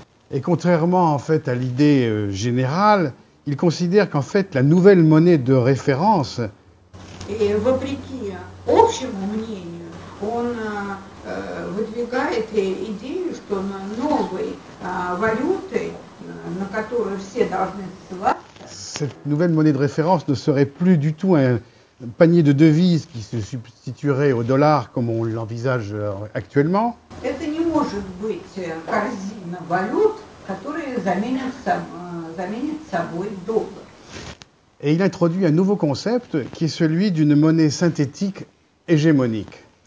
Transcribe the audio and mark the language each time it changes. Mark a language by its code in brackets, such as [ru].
[fr] Et contrairement en fait à l'idée générale, il considère qu'en fait la nouvelle monnaie de référence [ru] et, вопреки общему мнению, он выдвигает идею, что на новой валютой, на которую все должны ссылаться, [fr] cette nouvelle monnaie de référence ne serait plus du tout un panier de devises qui se substituerait au dollar comme on l'envisage actuellement. [ru] Это не может быть корзина валют, которая заменит собой доллар. [fr] Et il introduit un nouveau concept qui est celui d'une monnaie synthétique hégémonique.